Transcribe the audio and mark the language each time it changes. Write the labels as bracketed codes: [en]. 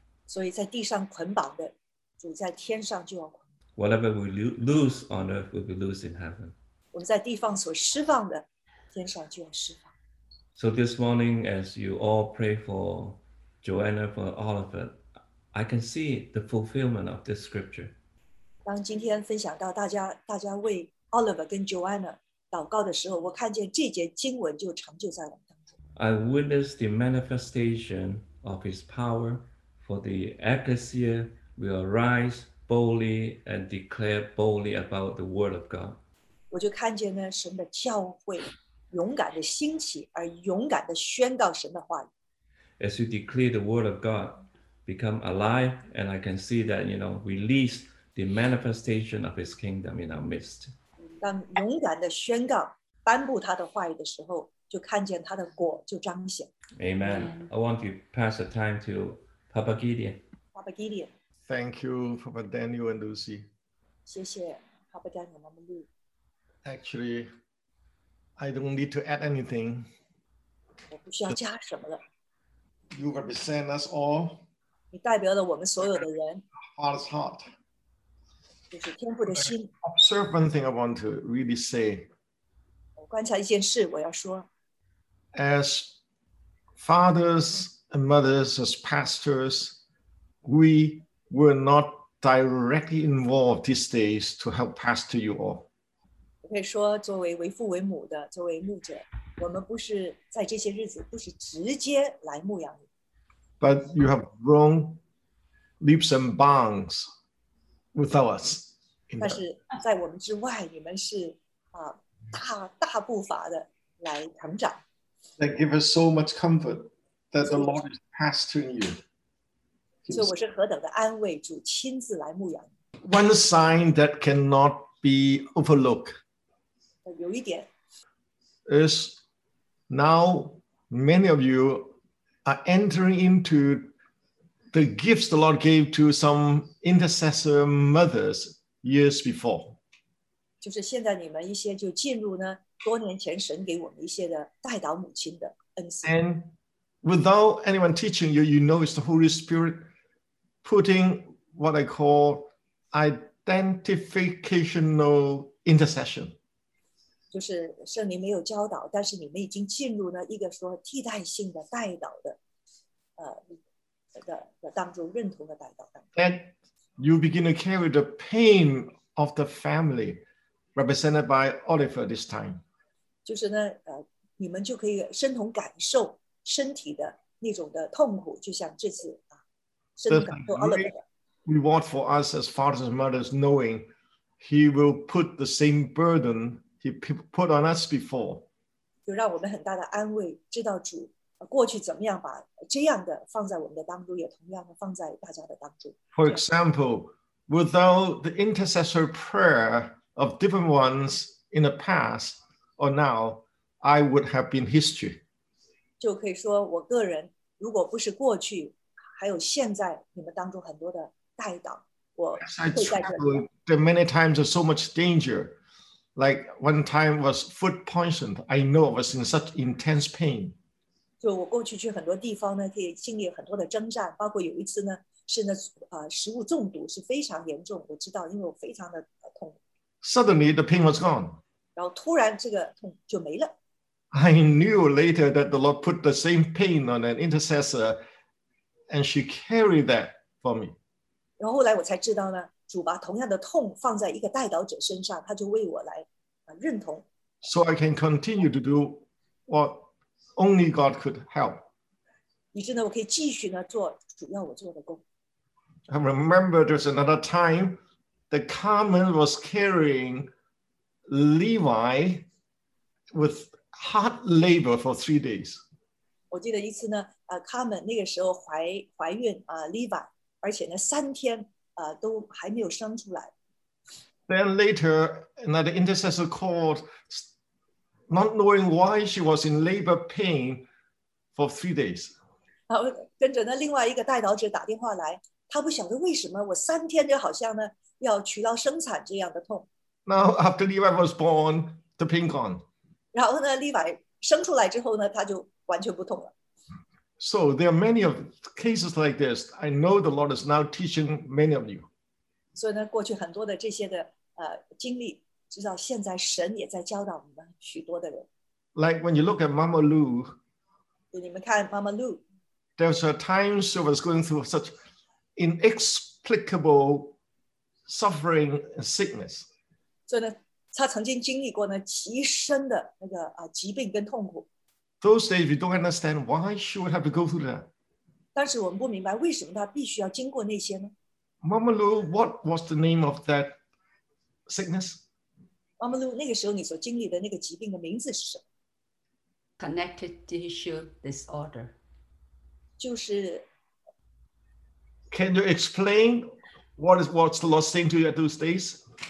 [zh] 所以在地上捆绑的，主在天上就要捆绑。 [en] Whatever we lose on earth, we'll be loose in heaven. [zh] 我们在地方所释放的，天上就要释放。 [en] So this morning, as you all pray for Joanna, for all of us, I can see the fulfillment of this scripture. [zh] 当今天分享到大家为 Oliver 跟 Joanna 祷告的时候，我看见这节经文就成就在我们当中。 [en] I witnessed the manifestation of His power, for the ecclesia will arise boldly and declare boldly about the word of God. [zh] 我就看见呢，神的教会勇敢的兴起，而勇敢的宣告神的话语。 [en] As you declare the word of God, become alive, and I can see that, you know, release the manifestation of His kingdom in our midst. [zh] 当勇敢的宣告、颁布他的话语的时候，就看见他的果就彰显。 [en] Amen. I want to pass the time to Papa Gideon. Papa Gideon. Thank you, Papa Daniel and Lucy. [zh] 谢谢 Papa Daniel and Lucy. [en] Actually, I don't need to add anything. [zh] 我不需要加什么了。 [en] You represent us all. [zh] 你代表了我们所有的人。 [en] Father's heart. [zh] 就是天父的心。 [en] Observe one thing I want to really say. [zh] 我观察一件事，我要说。 [en] As fathers and mothers, as pastors, we were not directly involved these days to help pastor you all. [zh] 我可以说，作为为父为母的，作为牧者。我们不是在这些日子不是直接来牧养你。 [en] But you have grown leaps and bounds without us. [zh] 但是在我们之外，你们是大步伐的来成长。 [en] That gives us so much comfort that the Lord is pastoring you. [zh] 所以我是何等的安慰，主亲自来牧养。 [en] One sign that cannot be overlooked. [zh] 有一点。 [en] Is now many of you are entering into the gifts the Lord gave to some intercessor mothers years before. [zh] 就是现在你们一些就进入呢多年前神给我们一些的代祷母亲的恩赐。 [en] And without anyone teaching you, you know it's the Holy Spirit putting what I call identificational intercession. [zh] 就是圣灵没有教导，但是你们已经进入了一个说替代性的代祷的，的当中认同的代祷当中。 [en] And you begin to carry the pain of the family, represented by Oliver this time. [zh] 就是呢，你们就可以身同感受身体的那种的痛苦，就像这次啊，身同感受 Oliver。 [en] Reward for us as fathers and mothers, knowing he will put the same burden. He put on us before. [zh] 就让我们很大的安慰，知道主过去怎么样把这样的放在我们的当中，也同样的放在大家的当中。 [en] For example, without the intercessor prayer of different ones in the past or now, I would have been history. [zh] 就可以说我个人，如果不是过去，还有现在你们当中很多的代祷，我会在这里。 [en] I traveled many times with so much danger. Like one time was food poisoned. I know I was in such intense pain. [zh] 就我过去去很多地方呢，可以经历很多的征战，包括有一次呢，是呢，食物中毒是非常严重。我知道，因为我非常的痛。 [en] Suddenly the pain was gone. [zh] 然后突然这个痛就没了。 [en] I knew later that the Lord put the same pain on an intercessor, and she carried that for me. [zh] 然后后来我才知道呢。主把同样的痛放在一个代祷者身上，他就为我来认同。 [en] So I can continue to do what only God could help. [zh] 以致呢，我可以继续呢做主要我做的工。 [en] I remember there's another time that Carmen was carrying Levi with hard labor for 3 days. [zh] 我记得一次呢，Carmen 那个时候怀孕Levi， 而且呢三天。都还没有生出来。 [en] Then later, another intercessor called, not knowing why she was in labor pain for 3 days. [zh] 然后跟着呢，另外一个代祷者打电话来，他不晓得为什么我三天就好像呢要取劳生产这样的痛。 [en] Now after Levi was born, the pain gone. [zh] 然后呢，利百生出来之后呢，他就完全不痛了。 [en] So there are many of cases like this. I know the Lord is now teaching many of you. [zh] 所以呢，过去很多的这些的经历，直到现在，神也在教导我们许多的人。 [en] Like when you look at Mama Lou, [zh] 你们看 Mama Lou, [en] there was a time she was going through such inexplicable suffering and sickness. [zh] 所以呢, 他曾经经历过呢极深的那个疾病跟痛苦。 [en] Those days, we don't understand why she would have to go through that. [zh] 当时我们不明白为什么她必须要经过那些呢? [en] Mama Lu, what was the name of that sickness? [zh] Mama Lu, 那个时候你所经历的那个疾病的名字是什么? [en] Connected tissue disorder. [zh] 就是... [en] Can you explain what is what's the Lord saying to you at those days?